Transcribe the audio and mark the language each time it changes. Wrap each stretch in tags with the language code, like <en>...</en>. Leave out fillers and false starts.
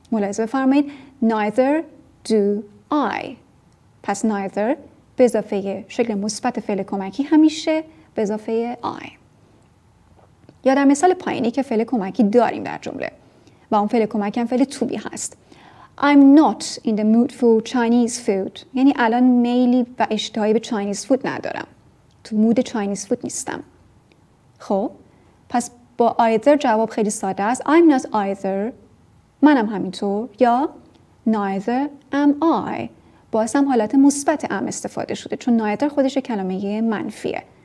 <fa>ملاحظه بفرمایید</fa> <en>neither do I.</en> <fa>پس neither به اضافه شکل مثبت فعل کمکی همیشه به اضافه I. یا در مثال پایینی که فعل کمکی داریم در جمله و اون فعل کمکی هم فعل to be هست.</fa> <en>I'm not in the mood for Chinese food.</en> <fa>یعنی الان میلی و اشتهایی به چاینیز فود ندارم. تو مود چاینیز فود نیستم. خب؟ پس با either جواب خیلی ساده است.</fa> <en>I'm not either.</en> <fa>منم همینطور. یا</fa> <en>neither am I.</en> <fa>باز هم حالت مثبت ام استفاده شده. چون neither خودش کلمه منفیه.</fa>